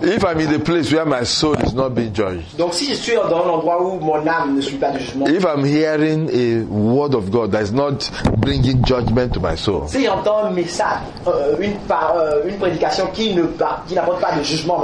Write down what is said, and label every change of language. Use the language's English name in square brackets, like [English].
[English] If I'm in the place where my soul is not being judged. [French] Donc si je suis dans l'endroit où mon âme ne suit pas de jugement. [English] If I'm hearing a word of God that is not bringing judgment to my soul. [French] Si j'entends un message, une prédication qui n'apporte pas de jugement.